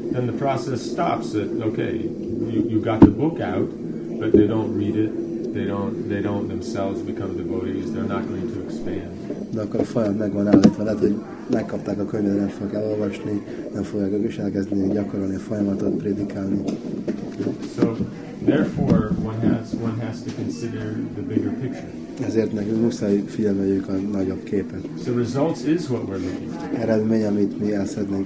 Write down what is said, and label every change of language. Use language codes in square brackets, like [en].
[en] Then the process stops at, okay, you got the book out, but they don't read it. They don't themselves become devotees. They're not going to expand. [hu] De akkor a folyamat megvan állítva, lehet, hogy megkapták a könyvet, nem fogják elolvasni, nem fogják ők is elkezdeni gyakorolni a folyamatot, prédikálni. [en] So, therefore, one has to consider the bigger picture. [hu] Ezért nekünk muszáj figyelmeljük a nagyobb képet. [en] So, results is what we're looking for. [hu] Eredmény, amit mi el szeretnénk